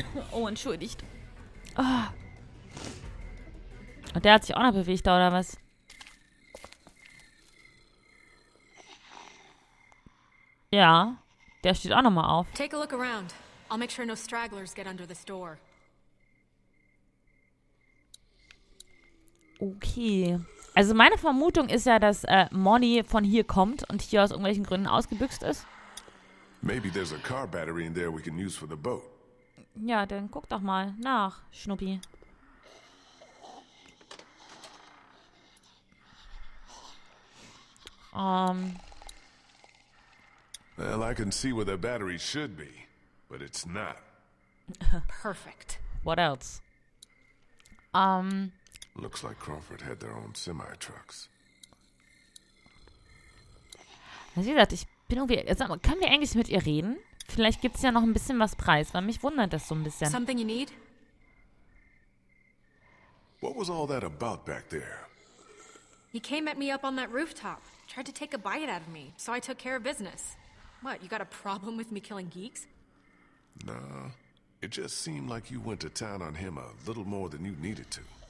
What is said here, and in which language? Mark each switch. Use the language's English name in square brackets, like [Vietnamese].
[German] Oh, entschuldigt. Oh. Und der hat sich auch noch bewegt, oder was? Ja, der steht auch noch mal auf. [English] Take a look around. I'll make sure no stragglers get under this door. Okay. [German] Also meine Vermutung ist ja, dass Moni von hier kommt und hier aus irgendwelchen Gründen ausgebüxt ist. [English] Maybe there's a car battery in there we can use for the boat. [German] Ja, dann guck doch mal nach, Schnuppi. [English] Well, I can see where the battery should be, but it's not. Perfect. What else? Looks like Crawford had their own semi-trucks. [German] Also wie gesagt, ich bin irgendwie... Sag mal, können wir eigentlich mit ihr reden? Vielleicht gibt es ja noch ein bisschen was preis, weil mich wundert das so ein bisschen. [English] Something you need? What was all that about back there? He came at me up on that rooftop, tried to take a bite out of me, so I took care of business. What, you got a problem with me killing geeks? No, it just seemed like you went to town on him a little more than you needed to.